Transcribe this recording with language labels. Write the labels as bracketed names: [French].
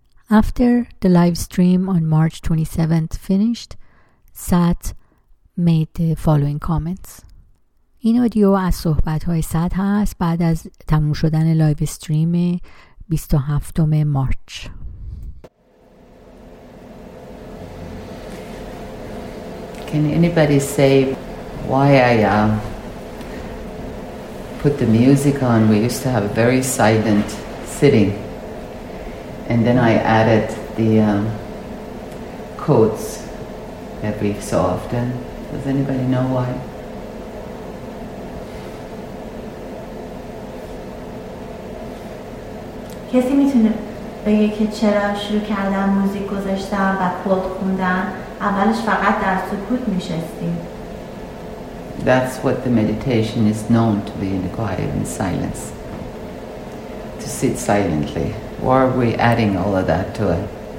[English] After the live stream on March 27th finished, Sat made the following comments. [Persian] این آدیو از صحبت‌های سات هست بعد از تموم شدن لایو استریم 27 مارچ. [English] Can anybody say why I put the music on? We used to have a very silent sitting. And then I added the quotes every so often. Does anybody know why? [Persian] کسی میتونه بگه که چرا شروع کردم موزیک گذاشتم و کوت خوندم؟ اولش فقط در سکوت میشستیم. [English] That's what the meditation is known to be, in the quiet and silence. To sit silently. Why are we adding all of that to it?